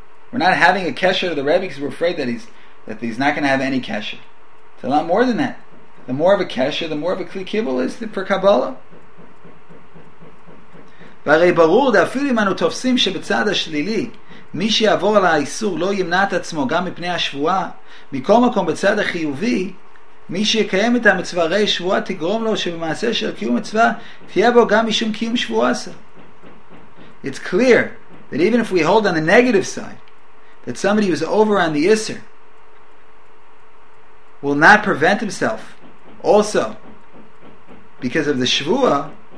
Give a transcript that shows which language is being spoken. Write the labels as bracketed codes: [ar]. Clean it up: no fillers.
[en] We're we're not having a kesher to the Rebbe because we're afraid that he's not going to have any kesher. It's a lot more than that. The more of a kesher, the more of a kli kibul is for Kabbalah. [he] והרי ברור דאפילו אם אנו תופסים שבצד השלילי מי שיעבור על האיסור לא ימנע את עצמו גם מפני השבועה מכל מקום בצד החיובי מי שיקיים את המצווה הרי שבועה תגרום לו שבמעשה של קיום מצווה תהיה בו גם משום קיום שבועה עשה. [en] It's clear that even if we hold on the negative side that somebody who is over on the iser will not prevent himself also because of the shvua.